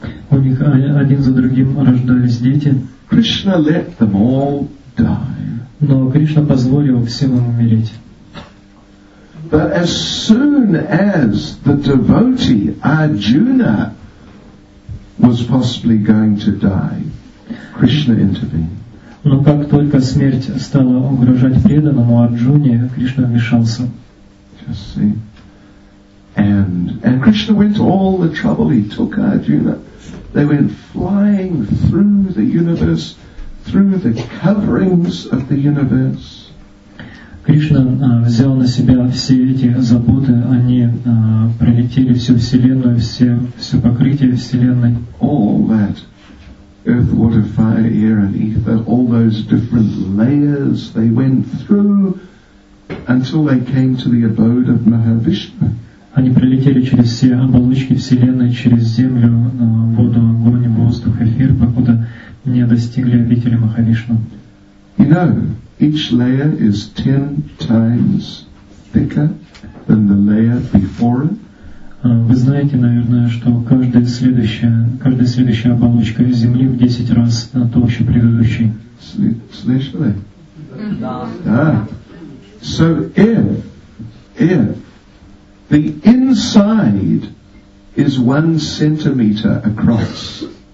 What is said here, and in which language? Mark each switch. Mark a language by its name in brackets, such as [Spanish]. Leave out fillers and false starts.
[Russian] У них один за другим рождались дети. [English] Krishna let them all die. [Russian] Но Кришна позволил всем им умереть. [English] But as soon as the devotee Arjuna was possibly going to die, Krishna intervened. [Russian] Но как только смерть стала угрожать преданному Арджуне, Кришна вмешался. [English] Just see. And Krishna went to all the trouble. He took Arjuna. They went flying through the universe, through the coverings of the universe. [Russian] Кришна взял на себя все эти заботы. Они пролетели всю вселенную, все покрытие вселенной. [English] All that. Earth, water, fire, air, and ether, all those different layers they went through until they came to the abode of Mahavishnu. [Russian] Они пролетели через все оболочки Вселенной, через землю, воду, огонь, воздух, эфир, покуда не достигли обители Махавишну. [English] You know, each layer is 10 times thicker than the layer before it. [Russian] Вы знаете, наверное, что каждая следующая оболочка Земли в 10 раз толще предыдущей. Слышали? Да. [English] So if the inside is 1 centimeter across.